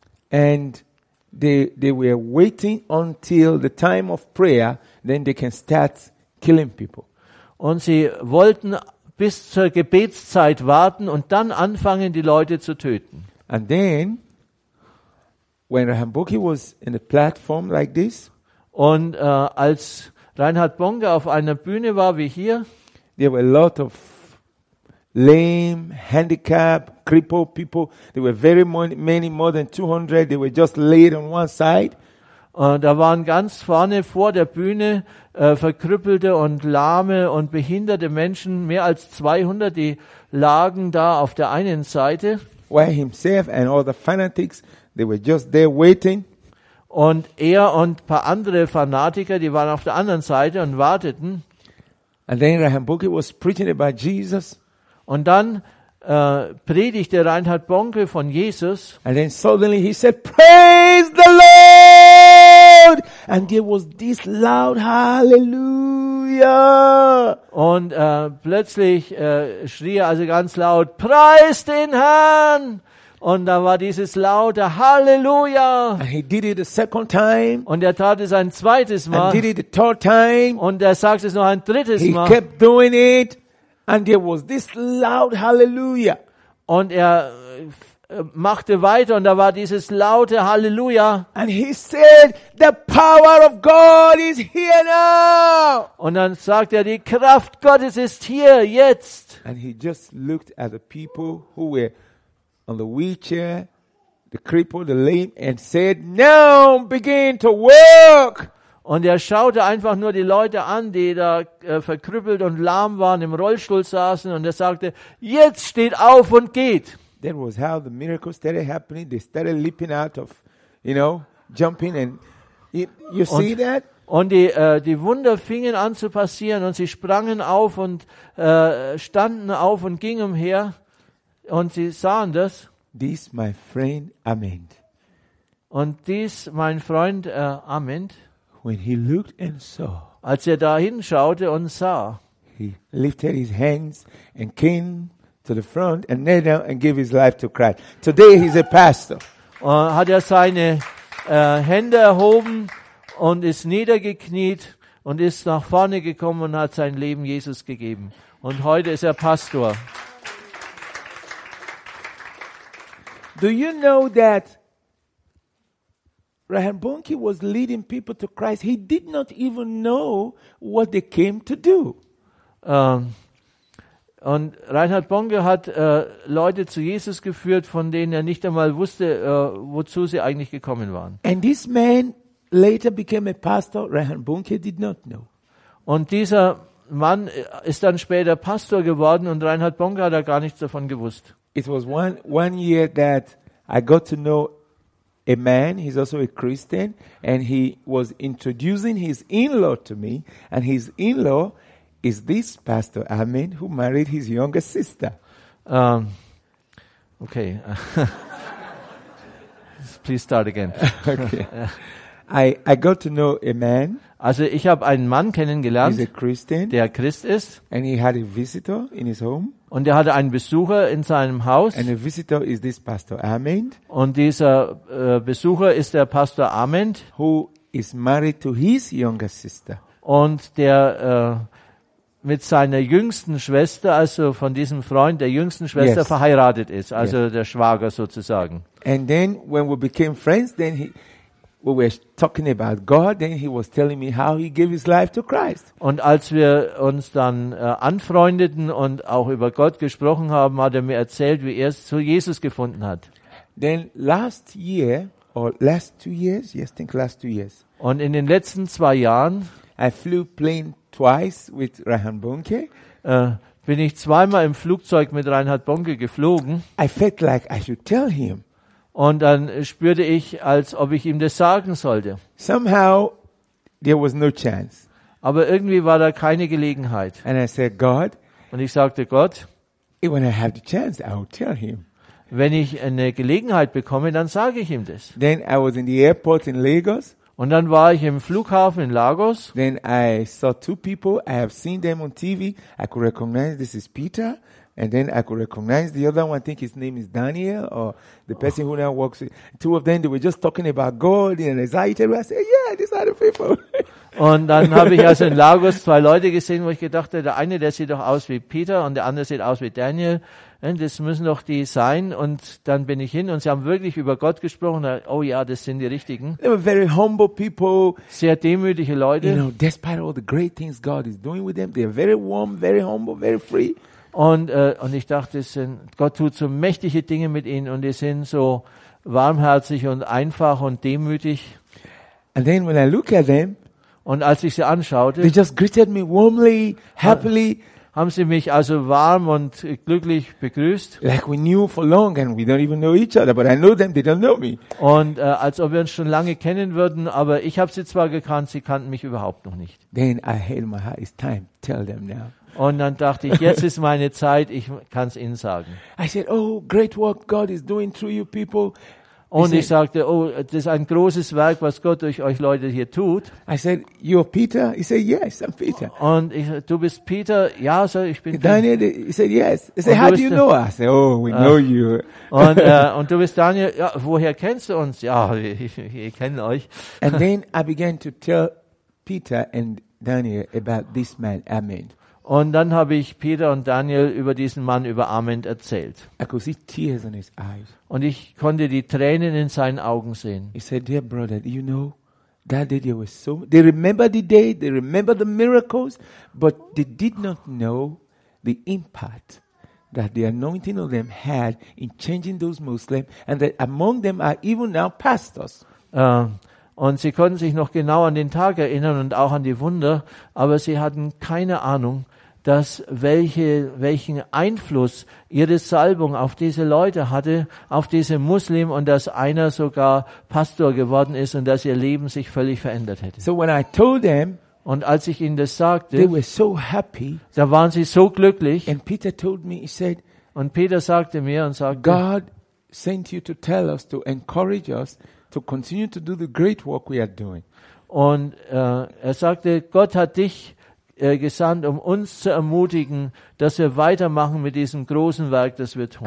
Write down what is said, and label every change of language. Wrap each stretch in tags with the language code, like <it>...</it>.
<en>And they were waiting until the time of prayer, then they can start killing people.</en> <de>Und sie wollten bis zur Gebetszeit warten und dann anfangen, die Leute zu töten.</de> <en>And then, when Reinhard Bonnke was in a platform like this,</en> <de>und als Reinhard Bonnke auf einer Bühne war wie hier,</de> <en>there were a lot of lame, handicapped, crippled people. There were very many, more than 200. They were just laid on one side.</en> <de>Da waren ganz vorne vor der Bühne verkrüppelte und lahme und behinderte Menschen, mehr als 200, die lagen da auf der einen Seite.</de> <en>While himself and all the fanatics, they were just there waiting.</en> <de>Und er und ein paar andere Fanatiker, die waren auf der anderen Seite und warteten.</de> <en>And then Reinhard Bonnke was preaching about Jesus.</en> <de>Und dann predigte Reinhard Bonke von Jesus.</de> <en>And then suddenly he said, "Praise the Lord!" And there was this loud hallelujah.</en> <de>Und plötzlich schrie er also ganz laut, "Preis den Herrn!" Und da war dieses laute Halleluja.</de> <en>And he did it a second time.</en> <de>Und er tat es ein zweites Mal.</de> <en>And did it a third time.</en> <de>Und er sagt es noch ein drittes Mal.</de> <en>He kept doing it. And there was this loud hallelujah.</en> <de>Und er machte weiter und da war dieses laute Halleluja.</de> <en>And he said, "The power of God is here now."</en> <de>Und dann sagt er, die Kraft Gottes ist hier jetzt.</de> <en>And he just looked at the people who were on the wheelchair, the crippled, the lame, and said, "Now begin to work."</en> <de>Und er schaute einfach nur die Leute an, die da verkrüppelt und lahm waren, im Rollstuhl saßen, und er sagte, jetzt steht auf und geht.</de> <en>That was how the miracle started happening. They started leaping out of, you know, jumping and you see</en> <de>und</de> <en>that?</en> <de>Und die Wunder fingen an zu passieren und sie sprangen auf und standen auf und gingen umher und sie sahen das.</de> <en>This, my friend, Amen.</en> <de>Und dies, mein Freund, Amen.</de> <en>When he looked and saw,</en> <de>als er dahin schaute und sah,</de> <en>he lifted his hands and came to the front and knelt down and gave his life to Christ. Today he's a pastor.</en> <de>Hat er seine Hände erhoben und ist niedergekniet und ist nach vorne gekommen und hat sein Leben Jesus gegeben. Und heute ist er Pastor.</de> <en>Do you know that Reinhard Bonnke was leading people to Christ? He did not even know what they came to do.</en> <de>Und Reinhard Bonnke hat Leute zu Jesus geführt, von denen er nicht einmal wusste, wozu sie eigentlich gekommen waren.</de> <en>And this man later became a pastor. Reinhard Bonnke did not know.</en> <de>Und dieser Mann ist dann später Pastor geworden und Reinhard Bonnke hat da gar nichts davon gewusst.</de> <en>It was one year that I got to know a man, he's also a Christian, and he was introducing his in-law to me, and his in-law is this pastor, Amen, who married his younger sister. Okay. Please start again. Okay. I got to know a man.</en> <de>Also ich habe einen Mann kennengelernt.</de> <en>He's a Christian.</en> <de>Der Christ ist.</de> <en>And he had a visitor in his home.</en> <de>Und er hatte einen Besucher in seinem Haus.</de> <en>And the visitor is this pastor, Amen.</en> <de>Und dieser Besucher ist der Pastor Amen,</de> <en>who is married to his younger sister.</en> <de>Und der mit seiner jüngsten Schwester, also von diesem Freund der jüngsten Schwester, yes, verheiratet ist, also yes, der Schwager sozusagen.</de> <en>And then when we became friends, then we were talking about God, then he was telling me how he gave his life to Christ.</en> <de>Und als wir uns dann anfreundeten und auch über Gott gesprochen haben, hat er mir erzählt, wie er zu Jesus gefunden hat.</de> <en>Then last year, or last 2 years, yes, I think last 2 years.</en> <de>Und in den letzten 2 Jahren,</de> <en>I flew plane twice with Reinhard Bonnke.</en> <de>Bin ich zweimal im Flugzeug mit Reinhard Bonnke geflogen.</de> <en>I felt like I should tell him.</en> <de>Und dann spürte ich, als ob ich ihm das sagen sollte.</de> <en>Somehow there was no chance.</en> <de>Aber irgendwie war da keine Gelegenheit.</de> <en>And I said, God.</en> <de>Und ich sagte, Gott.</de> <en>When I have the chance, I will tell him.</en> <de>Wenn ich eine Gelegenheit bekomme, dann sage ich ihm das.</de> <en>Then I was in the airport in Lagos.</en> <de>Und dann war ich im Flughafen in Lagos.</de> <en>Then I saw two people. I have seen them on TV. I could recognize this is Peter. And then I could recognize the other one. I think his name is Daniel, or the person who now works with. Two of them, they were just talking about God and anxiety. I said, "Yeah, these are the people."</en> <de>Und dann habe ich also in Lagos zwei Leute gesehen, wo ich gedacht habe, der eine, der sieht doch aus wie Peter, und der andere sieht aus wie Daniel. Und das müssen doch die sein. Und dann bin ich hin und sie haben wirklich über Gott gesprochen. Und, oh ja, das sind die richtigen.</de> <en>They were very humble people.</en> <de>Sehr demütige Leute.</de> <en>You know, despite all the great things God is doing with them, they are very warm, very humble, very free.</en> <de>Und ich dachte, Gott tut so mächtige Dinge mit ihnen und die sind so warmherzig und einfach und demütig.</de> <en>And then when I look at them,</en> <de>und als ich sie anschaute,</de> <en>they just greeted me warmly, happily,</en> <de>haben sie mich also warm und glücklich begrüßt.</de> <en>Like we knew for long and we don't even know each other, but I know them, they don't know me.</en> <de>Und als ob wir uns schon lange kennen würden, aber ich habe sie zwar gekannt, sie kannten mich überhaupt noch nicht.</de> <en>Then I held my heart, it's time, tell them now.</en> <de>Und dann dachte ich, jetzt ist meine Zeit, ich kann es ihnen sagen.</de> <en>I said, oh, great work God is doing through you people.</en> <de>Und ich sagte, oh, das ist ein großes Werk, was Gott durch euch Leute hier tut.</de> <en>I said, you're Peter? He said, yes, I'm Peter.</en> <de>Und ich, du bist Peter? Ja, so, ich bin Daniel, Peter.</de> <en>He said, yes. He said, how do you know us? I said, oh, we know you.</en> <de>Und du bist Daniel? Ja, woher kennst du uns? Ja, wir kennen euch.</de> <en>And then I began to tell Peter and Daniel about this man, Amen.</en> <de>Und dann habe ich Peter und Daniel über diesen Mann, über Ahmed, erzählt.</de> <en>I could see tears in his eyes.</en> <de>Und ich konnte die Tränen in seinen Augen sehen.</de> <en>He said, dear brother, you know, that day they were so, they remember the day, they remember the miracles, but they did not know the impact that the anointing of them had in changing those Muslims, and that among them are even now pastors.</en> <de>Und sie konnten sich noch genau an den Tag erinnern und auch an die Wunder, aber sie hatten keine Ahnung, dass welchen Einfluss ihre Salbung auf diese Leute hatte, auf diese Muslim, und dass einer sogar Pastor geworden ist und dass ihr Leben sich völlig verändert hätte.</de> <en>So when I told them,</en> <de>und als ich ihnen das sagte,</de> <en>they were so happy,</en> <de>da waren sie so glücklich.</de> <en>And Peter told me, he said,</en> <de>und Peter sagte mir und sagte,</de> <en>God sent you to tell us, to encourage us, to continue to do the great work we are doing.</en> <de>Und er sagte, Gott hat dich gesandt, um uns zu ermutigen, dass wir weitermachen mit diesem großen Werk, das wir tun.</de>